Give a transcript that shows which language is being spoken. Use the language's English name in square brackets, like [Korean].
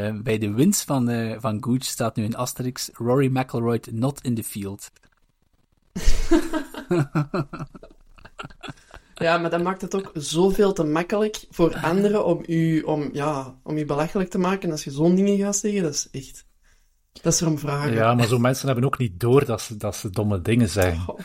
[Dutch] Bij de winst van Gooch staat nu een asterisk. [English] Rory McIlroy not in the field. [Dutch] Ja, maar dat maakt het ook zoveel te makkelijk voor anderen om je belachelijk te maken. Als je zo'n dingen gaat zeggen, dat is echt... Dat is erom vragen. Ja, maar zo'n mensen hebben ook niet door dat ze domme dingen zijn.